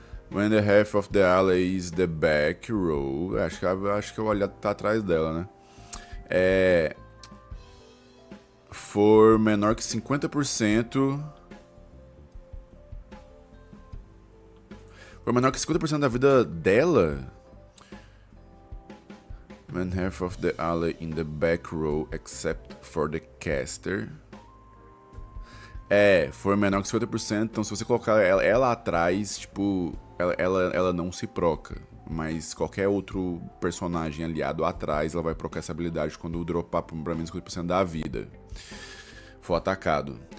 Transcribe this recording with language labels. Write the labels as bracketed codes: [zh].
[en] When the half of the ally is the back row. [pt] Acho que o aliado tá atrás dela, né? For menor que 50%. For menor que 50% da vida dela. [en] When half of the ally in the back row, except for the caster. [pt] For menor que 50%, então se você colocar ela atrás, tipo, ela não se proca. Mas qualquer outro personagem aliado atrás, ela vai procar essa habilidade quando dropar pra menos 50% da vida. For atacado.